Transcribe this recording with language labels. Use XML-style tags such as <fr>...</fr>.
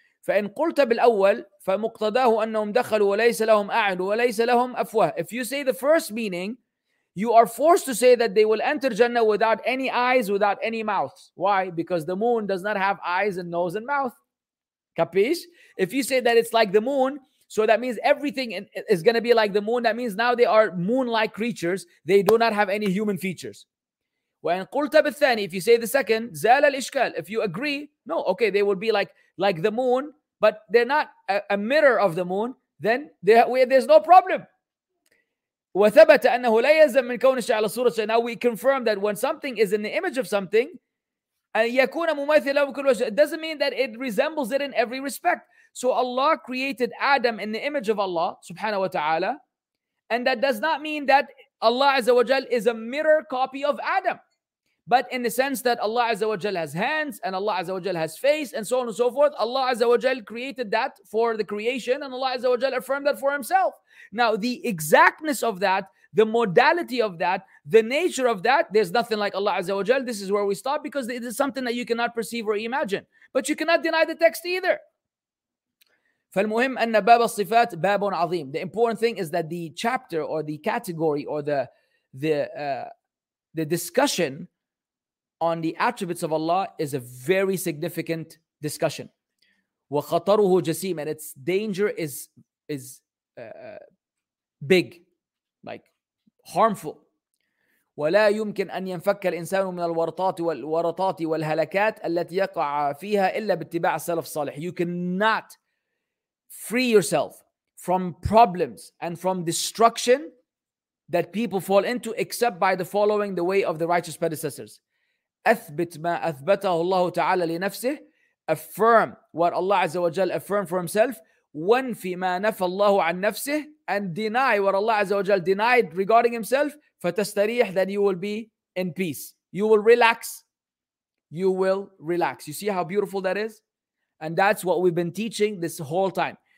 <ar>فإن قلت بالأول فمقتداه أنهم دخلوا وليس لهم أعين وليس لهم أفواه.</ar> <en>If you say the first meaning, you are forced to say that they will enter Jannah without any eyes, without any mouths. Why? Because the moon does not have eyes and nose and mouth. Capish? If you say that it's like the moon, so that means everything is going to be like the moon. That means now they are moon-like creatures. They do not have any human features.</en> <ar>وإن قلت بالثاني,</ar> <en>if you say the second,</en> <ar>زال الإشكال.</ar> <en>If you agree, no, okay, they will be like the moon, but they're not a mirror of the moon, then there's no problem.</en> <ar>وثبت أنه لا يلزم من كون الشيء على صورة شيء.</ar> <en>Now we confirm that when something is in the image of something,</en> <ar>يكون مماثلا بكل وجه,</ar> <en>it doesn't mean that it resembles it in every respect. So Allah created Adam in the image of Allah subhanahu wa ta'ala, and that does not mean that Allah azza wa jal is a mirror copy of Adam, but in the sense that Allah azza wa jal has hands and Allah azza wa jal has face and so on and so forth, Allah azza wa jal created that for the creation and Allah azza wa jal affirmed that for himself. Now the exactness of that, the modality of that, the nature of that, there's nothing like Allah azza wa jal. This is where we stop, because it is something that you cannot perceive or imagine, but you cannot deny the text either.</en> <ar>فالمهم أن باب الصفات باب عظيم.</ar> <en>The important thing is that the chapter or the category or the discussion on the attributes of Allah is a very significant discussion.</en> <ar>وخطره جسيم,</ar> <en>and its danger is big, like harmful.</en> <ar>ولا يمكن أن ينفك الإنسان من الورطات والهلكات التي يقع فيها إلا باتباع السلف الصالح.</ar> <en>You cannot free yourself from problems and from destruction that people fall into except by the following the way of the righteous predecessors.</en> <ar>أثبت ما أثبته الله تعالى لنفسه.</ar> <en>Affirm what Allah عز وجل affirmed for himself.</en> <ar>وانفي ما نفى الله عن نفسه.</ar> <en>And deny what Allah عز وجل denied regarding himself.</en> <ar>فتستريح,</ar> <en>then you will be in peace. You will relax. You will relax. You see how beautiful that is? And that's what we've been teaching this whole time.</en>